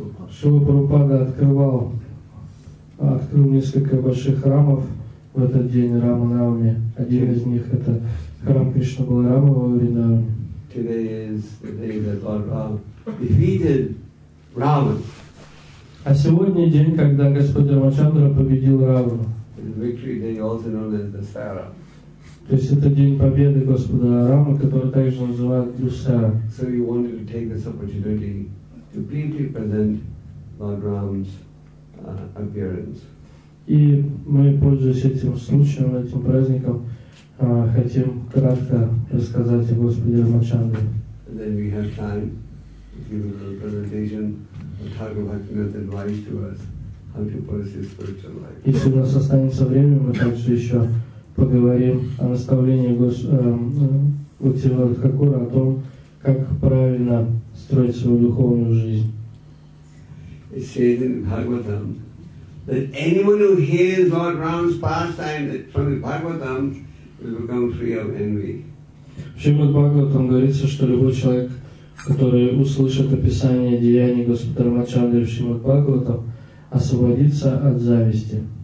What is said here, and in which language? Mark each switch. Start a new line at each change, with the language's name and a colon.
Russian: Шрила Прабхупада открыл несколько больших храмов в этот день Рама Навами. Один из них — это храм Кришна Баларама во Вриндаване.
English: Today is the day that Lord Rama defeated Ravana.
Russian: А сегодня день, когда Господь Рамачандра победил Равану.
English: The victory day, also known as the Dussehra.
Russian: То есть это день победы Господа Рамы, который также называют Дуссера.
English: So we wanted to take this opportunity to briefly present Lord Rama's appearance.
Russian: И мы, пользуясь этим случаем, этим праздником, хотим кратко рассказать о Господе Рамачандре.
English: And then we have time to give a little presentation of Thakur Bhaktivinoda's advice to us how to pursue spiritual life.
Russian: Если у нас останется время, мы также еще поговорим о наставлении Бхактивинода Тхакура о том, как правильно строить свою духовную жизнь.
English: It says in Bhagavatam that anyone who hears Lord Ram's pastime from the Bhagavatam will become free of envy.
Russian: В Шримад Бхагаватам говорится, что любой человек, который услышит описание деяний Господа Рамачандры в Шримад Бхагаватам, освободится от зависти.